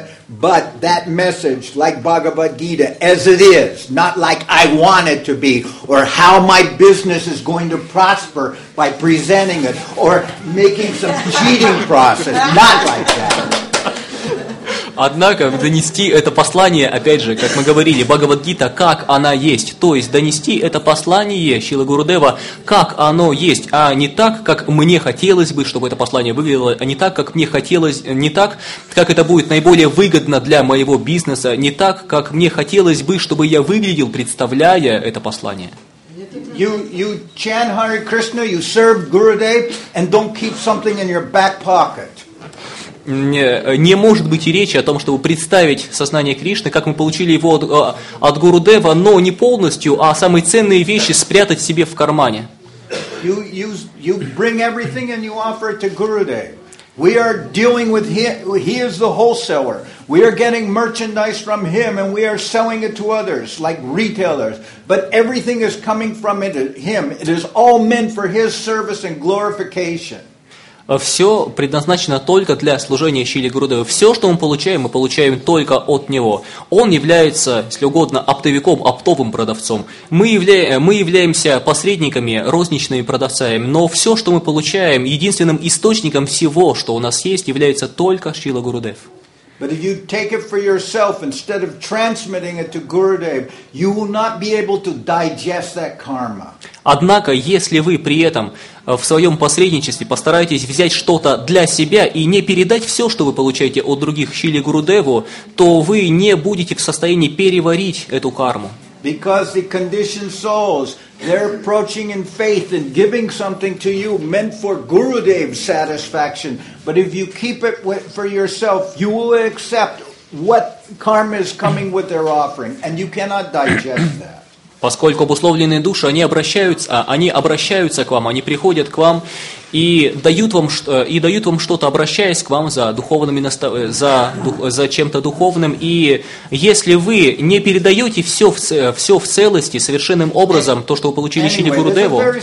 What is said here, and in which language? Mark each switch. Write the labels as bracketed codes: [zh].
[en] But that message, like Bhagavad Gita, as it is, not like I want it to be, or how my business is going to prosper by presenting it, or making some cheating process, not like that. [ru] Однако, донести это послание, опять же, как мы говорили, Бхагавад-гита, как она есть. То есть, донести это послание Шрилы Гурудева, как оно есть, а не так, как мне хотелось бы, чтобы это послание выглядело, а не так, как мне хотелось, не так, как это будет наиболее выгодно для моего бизнеса, не так, как мне хотелось бы, чтобы я выглядел, представляя это послание. [en] You chant Hare Krishna, you serve Gurudev, and don't keep something in your back pocket. [ru] Не может быть и речи о том, чтобы представить сознание Кришны, как мы получили его от Гурудева, но не полностью, а самые ценные вещи спрятать себе в кармане. [en] You bring everything and you offer it to Gurudev. We are dealing with him. He is the wholesaler. We are getting merchandise from him, and we are selling it to others, like retailers. But everything is coming from him. It is all meant for his service and glorification. [ru] Все предназначено только для служения Шриле Гурудеве. Все, что мы получаем только от него. Он является, если угодно, оптовиком, оптовым продавцом. Мы являемся посредниками, розничными продавцами. Но все, что мы получаем, единственным источником всего, что у нас есть, является только Шрила Гурудев. [en] But if you take it for yourself instead of transmitting it to Gurudev, you will not be able to digest that karma. [ru] Однако, если вы при этом в своем посредничестве постараетесь взять что-то для себя и не передать все, что вы получаете от других Шриле Гурудеву, то вы не будете в состоянии переварить эту карму. [en] Because the conditioned souls, they're approaching in faith and giving something to you meant for Gurudev's satisfaction. But if you keep it for yourself, you will accept what karma is coming with their offering, and you cannot digest that. [ru] Поскольку обусловленные души, они обращаются к вам, они приходят к вам и дают вам что-то, обращаясь к вам за духовными за чем-то духовным. И если вы не передаете все в целости, совершенным образом, то, что вы получили Шриле Гурудеву.